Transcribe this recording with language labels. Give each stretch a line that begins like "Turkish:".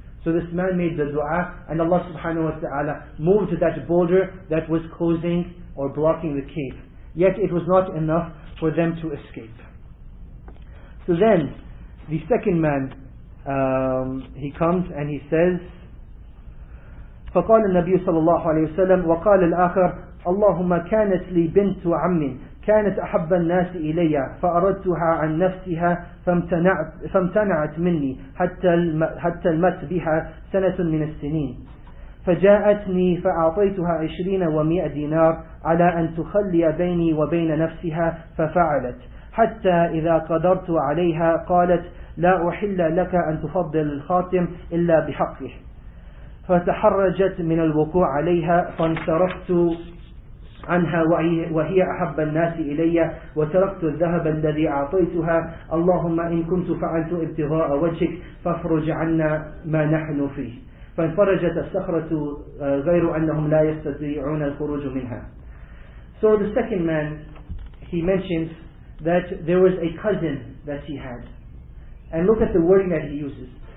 English: So this man made the dua, and Allah subhanahu wa ta'ala moved that boulder that was closing or blocking the cave. Yet it was not enough for them to escape. So then, the second man, he comes and he says,
Arabic: فَقَالَ النَّبِيُّ صَلَى اللَّهُ عَلَيْهِ وَسَلَّمُ وَقَالَ الْآخَرُ اللهم كانت لي بنت عم كانت أحب الناس إلي فأردتها عن نفسها فامتنعت مني حتى المت بها سنة من السنين فجاءتني فأعطيتها 20 و100 دينار على أن تخلي بيني وبين نفسها ففعلت حتى إذا قدرت عليها قالت لا أحل لك أن تفضل الخاتم إلا بحقه فتحرجت من الوقوع عليها فانصرفت عنها وهي أحب الناس إلي وتركت الذهب الذي أعطيتها اللهم إن كنت فعلت ابتغاء وجهك فافرج عنا ما نحن فيه فانفرجت الصخرة غير أنهم لا يستطيعون الخروج منها.
English: So the second man, he mentions that there was a cousin that he had, and look at the wording that he uses.